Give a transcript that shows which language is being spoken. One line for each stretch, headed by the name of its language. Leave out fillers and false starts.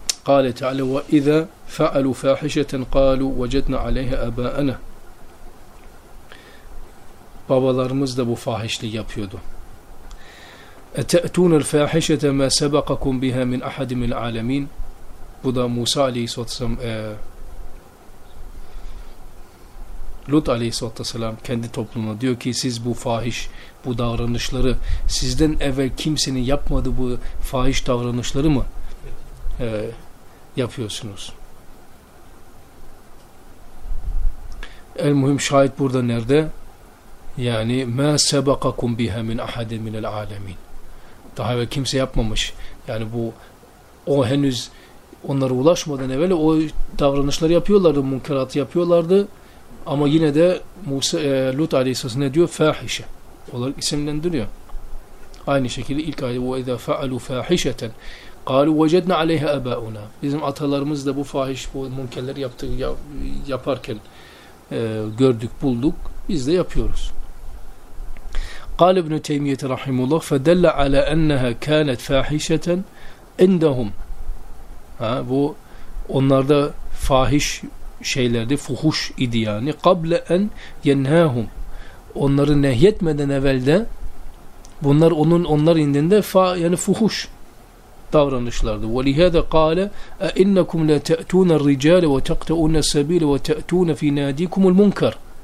Arabic: قال تعالى وإذا فعلوا فاحشة قالوا وجدنا عليها آباءنا.
Turkish: Babalarımız da bu fahişliği yapıyordu.
Arabic: أتأتون الفاحشة ما سبقكم بها من أحد من العالمين.
Turkish: Bu da Musa aleyhisselam Lut aleyhisselam kendi toplumuna diyor ki siz bu fahiş bu davranışları sizden evvel kimsenin yapmadığı bu fahiş davranışları mı yapıyorsunuz. El mühim şahit burada nerede? Yani
Arabic: ma sebakakum biha min ahadin min el alemin.
Turkish: Daha evvel kimse yapmamış. Yani bu o henüz onlara ulaşmadan evvel o davranışları yapıyorlardı, münkeratı yapıyorlardı. Ama yine de Musa Lut aleyhisselam ne diyor? Fahişe olarak isimlendiriyor. Aynı şekilde ilk ayet bu
Arabic: eza faalu fahişeten قالوا وجدنا عليها آباؤنا.
Turkish: Bizim atalarımız da bu fahiş bu münkerler yaptığı yaparken gördük, bulduk. Biz de yapıyoruz.
Arabic: قال ابن تيمية رحمه الله فدل على أنها كانت فاحشة عندهم.
Turkish: Ha bu onlarda fahiş şeylerdi, fuhuş idi yani.
Arabic: قبل أن ينهاهم.
Turkish: Onları nehyetmeden evvel de bunlar onlar indinde yani fuhuş davranışlardı.
Arabic: وَلِهَذَا قَالَ اَاِنَّكُمْ لَتَأْتُونَ الرِّجَالَ وَتَقْتَعُونَ السَّبِيلَ وَتَأْتُونَ فِي نَادِيكُمُ الْمُنْكَرِ.